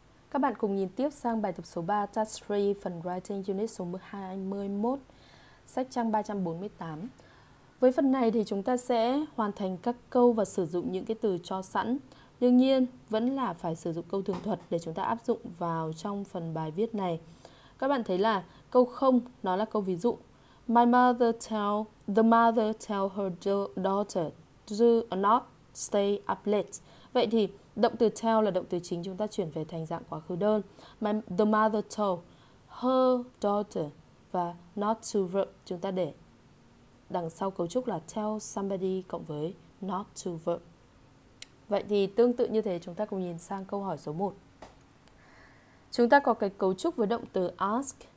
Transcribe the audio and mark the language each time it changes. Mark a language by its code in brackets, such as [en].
[vi] Các bạn cùng nhìn tiếp sang bài tập số 3, Task 3, phần Writing Unit số 21, sách trang 348. Với phần này thì chúng ta sẽ hoàn thành các câu và sử dụng những cái từ cho sẵn. Đương nhiên, vẫn là phải sử dụng câu thường thuật để chúng ta áp dụng vào trong phần bài viết này. Các bạn thấy là câu 0, nó là câu ví dụ. [en] The mother tell her daughter do not stay up late. [vi] Vậy thì động từ tell là động từ chính, chúng ta chuyển về thành dạng quá khứ đơn. [en] The mother told her daughter [vi] và not to verb chúng ta để đằng sau cấu trúc là tell somebody cộng với not to verb. Vậy thì tương tự như thế, chúng ta cùng nhìn sang câu hỏi số 1. Chúng ta có cái cấu trúc với động từ ask.